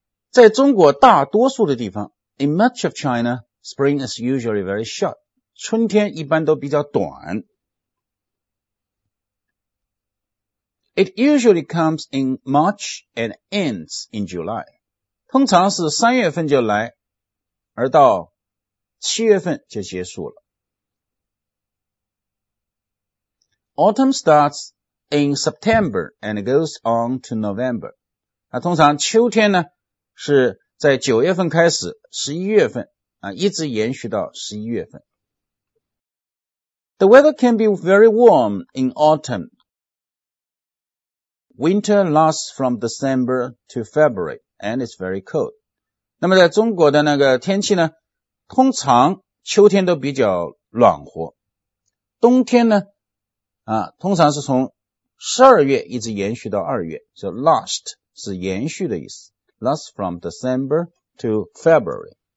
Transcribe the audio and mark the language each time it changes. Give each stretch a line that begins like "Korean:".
Chinese: 在中国大多数的地方
English: ,in much of China, spring is usually very short.
Chinese: 春天一般都比较短。
English: It usually comes in March and ends in July.
Chinese: 通常是三月份就来，而到七月份就结束了。
English: Autumn starts in September and goes on to November.
Chinese: 那通常秋天呢，是在九月份开始，十一月份啊，一直延续到十一月份。
English: The weather can be very warm in autumn. Winter lasts from December to February, and it's very cold.
Chinese: 那么在中国的那个天气呢，通常秋天都比较暖和。冬天呢，通常是从12月一直延续到2月。
English: So
Chinese: last 是延续的意思。
English: Lasts from December to February.